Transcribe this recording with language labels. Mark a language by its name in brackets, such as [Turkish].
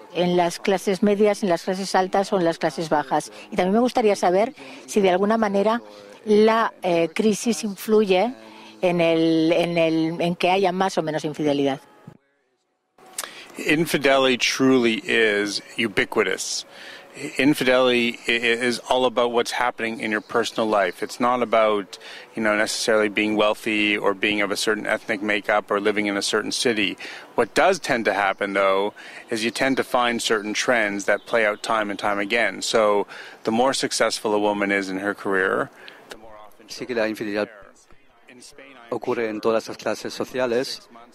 [Spanish] ¿En las clases medias, en las clases altas o en las clases bajas? Y también me gustaría saber si de alguna manera la crisis influye en que haya más o menos infidelidad. [English] Infidelity truly is ubiquitous. Infidelity is all about what's happening in your personal life. It's not about, you know, necessarily being wealthy or being of a certain ethnic makeup or living in a certain city. What does tend to happen, though, is you tend to find certain trends that play out time and time again. So the more successful a woman is in her career, the more often she's there. [Spanish] Sí que la infidelidad ocurre en todas las clases sociales.